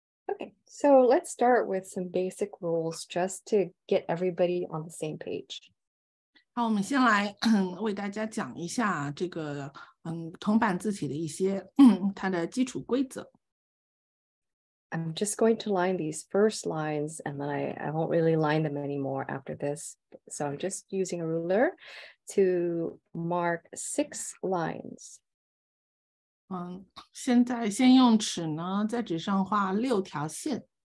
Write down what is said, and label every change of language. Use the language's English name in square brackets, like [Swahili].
[English] Okay, so let's start with some basic rules just to get everybody on the same page. [Chinese] 好，我们先来为大家讲一下这个铜板字体的一些它的基础规则。 [English] I'm just going to line these first lines and then I won't really line them anymore after this. So I'm just using a ruler to mark six lines. [Chinese] 现在先用尺呢，在纸上画六条线。